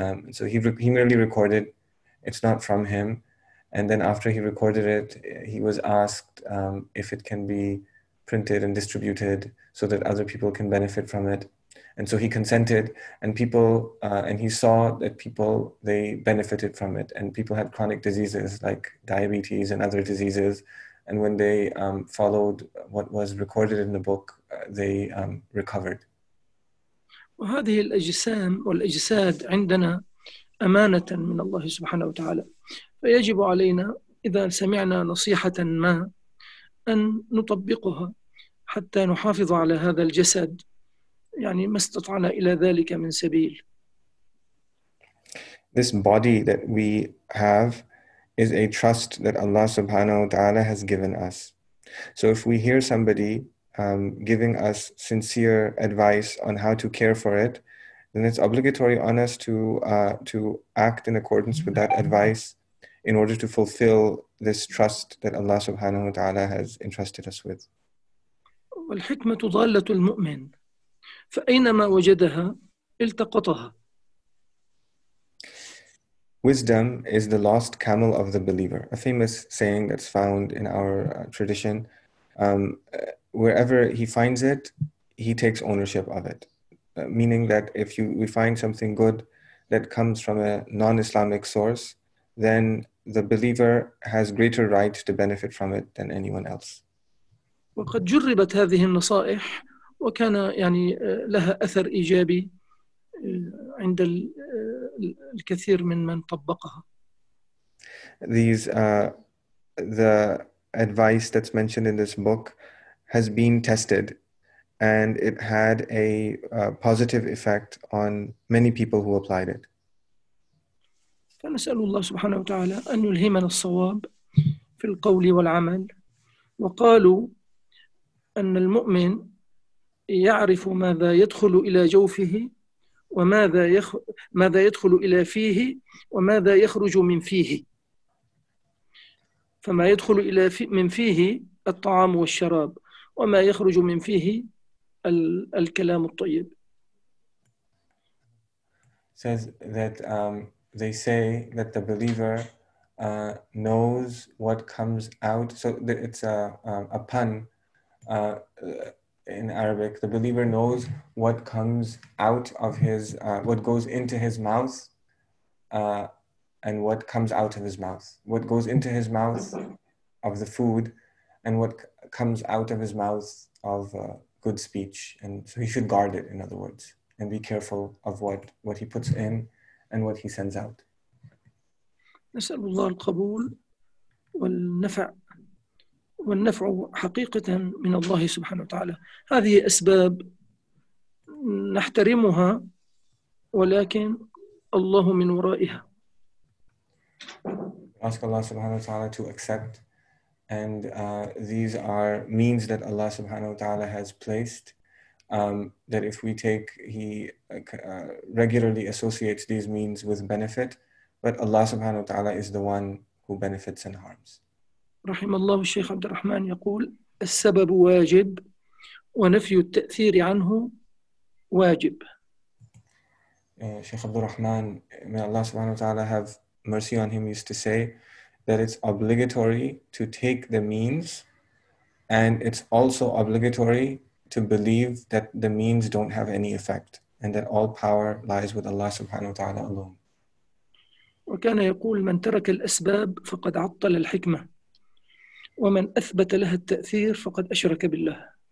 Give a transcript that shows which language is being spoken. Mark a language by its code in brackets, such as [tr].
[en] So he merely recorded, it's not from him. And then after he recorded it, he was asked if it can be printed and distributed so that other people can benefit from it. And so he consented, and people, and he saw that people, they benefited from it. And people had chronic diseases like diabetes and other diseases. And when they followed what was recorded in the book, they recovered. [ar] وهذه الأجسام والأجساد عندنا أمانة من الله سبحانه وتعالى فيجب علينا إذا سمعنا نصيحة ما أن نطبقها حتى نحافظ على هذا الجسد يعني ما استطعنا إلى ذلك من سبيل. [en] This body that we have is a trust that Allah subhanahu wa ta'ala has given us. So if we hear somebody giving us sincere advice on how to care for it, then it's obligatory on us to act in accordance with that advice in order to fulfill this trust that Allah subhanahu wa ta'ala has entrusted us with. [ar] والحكمة ضالة المؤمن فأينما وجدها التقطها. [en] Wisdom is the lost camel of the believer, a famous saying that's found in our tradition. Wherever he finds it, he takes ownership of it. Meaning that if we find something good that comes from a non-Islamic source, then the believer has greater right to benefit from it than anyone else. [ar] وقد جربت هذه النصائح وكان يعني لها أثر إيجابي عند الكثير من طبقها. [en] The advice that's mentioned in this book has been tested, and it had a positive effect on many people who applied it. [ar] فنسأل الله سبحانه وتعالى أن يلهمنا الصواب في القول والعمل. وقالوا أن المؤمن يعرف ماذا يدخل إلى جوفه وماذا ماذا يدخل إلى فيه وماذا يخرج من فيه. فما يدخل إلى من فيه الطعام والشراب، وما يخرج من فيه الكلام الطيب. [en] Says that they say that the believer knows what comes out. So it's a pun in Arabic. The believer knows what comes out of his, what goes into his mouth, and what comes out of his mouth. What goes into his mouth of the food, and what comes out of his mouth of good speech. And so he should guard it, in other words, and be careful of what he puts in and what he sends out. [ar] نسأل الله القبول والنفع، والنفع حقيقة من الله سبحانه وتعالى. هذه أسباب نحترمها، ولكن الله من ورائها. [en] Ask Allah subhanahu wa ta'ala to accept, and these are means that Allah subhanahu wa ta'ala has placed. That if we take, he regularly associates these means with benefit, but Allah subhanahu wa ta'ala is the one who benefits and harms. [ar] رحم الله الشيخ عبد الرحمن يقول السبب واجب ونفي التأثير عنه واجب. [en] Shaykh Abd al-Rahman, may Allah subhanahu wa ta'ala have mercy on him, used to say that it's obligatory to take the means, and it's also obligatory to believe that the means don't have any effect, and that all power lies with Allah subhanahu wa ta'ala alone. [ar] وكان يقول من ترك الأسباب فقد عطل الحكمة، ومن أثبت لها التأثير فقد أشرك بالله.